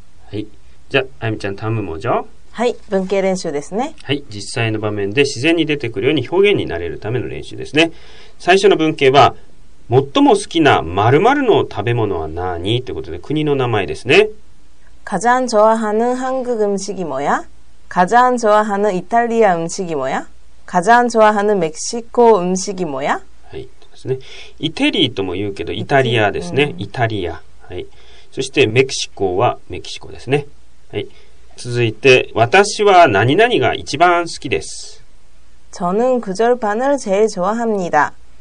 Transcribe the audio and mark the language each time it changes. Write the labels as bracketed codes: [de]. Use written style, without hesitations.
[ja] はい、じゃあ、あゆみちゃん、 [ko] 다음은뭐죠？ [ja] はい、文型練習ですね。はい、実際の場面で自然に出てくるように表現になれるための練習ですね。最初の文型は、最も好きな〇〇の食べ物は何？ということで、国の名前ですね。 [ko] 가장좋아하는한국음식이뭐야？ 가장좋아하는이탈리아음식이뭐야？ 가장좋아하는멕시코음식이뭐야？ [ja] はい、ですね。イテリーとも言うけど、イタリアですね。イタリア。はい。そして、メキシコはメキシコですね。はい。続いて、私は何々が一番好きです。 [ko] 저는くじょるパンを제일좋아합니다。